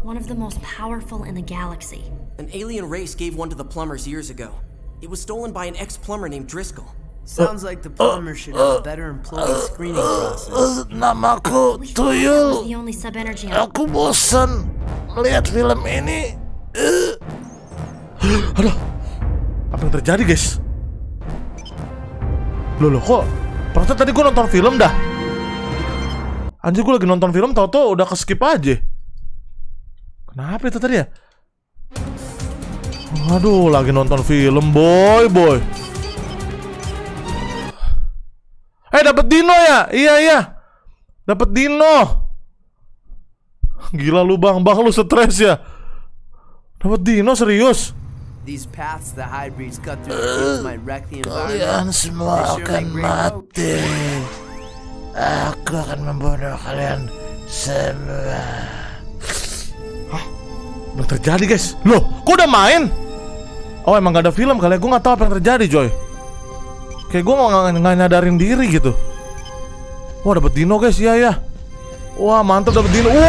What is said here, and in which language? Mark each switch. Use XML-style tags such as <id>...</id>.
<en>One of the most powerful in the galaxy. An alien race gave one to the plumbers years ago. It was stolen by an ex-plumber named Driscoll. Sounds like the plumber should have a better employee screening process.</en> <id>Namaku Tuyul. Aku bosan melihat film ini. Aduh. Apa yang terjadi, guys? Loh, kok? Perasaan tadi gua nonton film dah. Anjir gue lagi nonton film, tau tuh udah keskip aja. Kenapa itu tadi ya? Aduh, lagi nonton film, boy. Eh, dapet Dino ya? Iya. Dapet Dino. Gila lu bang, lu stres ya. Dapet Dino, serius?</id> <en>These paths the hybrids cut through might wreck the environment.</en> <id>Kalian semua akan mati. Aku akan membunuh kalian semua. Hah? Apa terjadi guys? Loh, kok udah main? Oh emang gak ada film kali ya? Gue gak tahu apa yang terjadi coy. Kayak gue gak nyadarin diri gitu. Wah dapet Dino guys, iya. Wah mantap dapet Dino.</id>